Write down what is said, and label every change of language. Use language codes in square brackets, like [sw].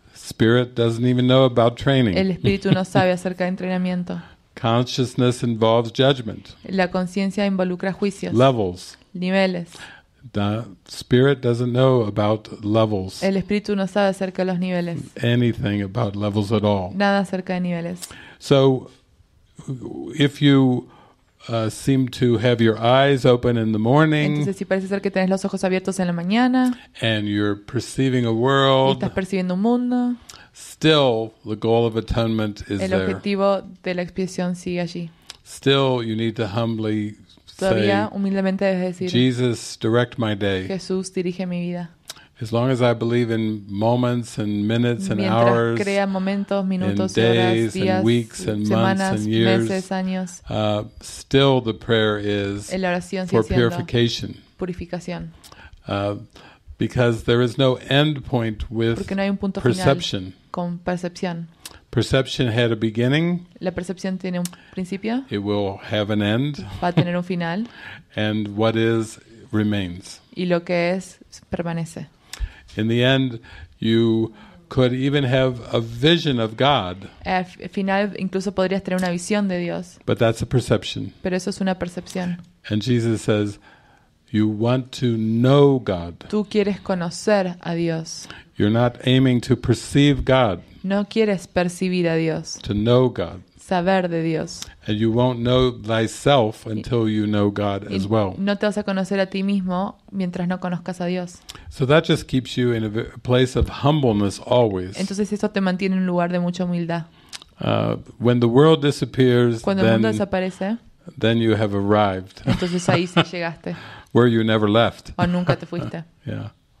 [en] Spirit doesn't even know about training. [es] El espíritu no sabe acerca de entrenamiento. [en] Consciousness involves judgment. [es] La conciencia involucra juicios. [en] Levels. [es] Niveles. [en] The spirit doesn't know about levels. [es] El espíritu no sabe acerca de los niveles. [en] Anything about levels at all. [es] Nada acerca de niveles. [en] So, if you seem to have your eyes open in the morning. [es] Entonces, si parece ser que tenés los ojos abiertos en la mañana. [en] And you're perceiving a world. [es] Y estás percibiendo un mundo. [en] Still, the goal of atonement is [es] there. El objetivo de la expiación sigue allí. [en] Still, you need to humbly [es] say, humildemente debes decir, [en] Jesus, direct my day. [es] Jesús, dirige mi vida. [en] As long as I believe in moments and minutes and hours, [es] crea momentos, minutos, [en] in [es] horas, [en] days [es] días, [en] and weeks and [es] semanas, [en] months and years, [es] meses, años, [en] still the prayer is [es] la oración [en] for purification. [es] Purificación. [en] Because there is no end point with [es] porque no hay un punto [en] perception. [es] Final con percepción. [en] Perception had a beginning. [es] La percepción tiene un principio. [en] It will have an end. [es] Va a tener un final. [en] And what is remains. [es] Y lo que es permanece. [en] In the end, you could even have a vision of God. [es] Al final, incluso podrías tener una visión de Dios. [en] But that's a perception. [es] Pero eso es una percepción. [en] And Jesus says, you want to know God. [es] Tú quieres conocer a Dios. [en] You're not aiming to perceive God. [es] No quieres percibir a Dios. [en] To know God. [es] Saber de Dios. [en] And you won't know thyself until you know God as well. [es] No te vas a conocer a ti mismo mientras no conozcas a Dios. [en] So that just keeps you in a place of humbleness always. [es] Entonces eso te mantiene en un lugar de mucha humildad. [en] When the world disappears, [es] cuando el mundo desaparece, [en] then you have arrived. [es] Entonces ahí sí llegaste. [en] Where you never left. [es] O nunca te fuiste. Yeah.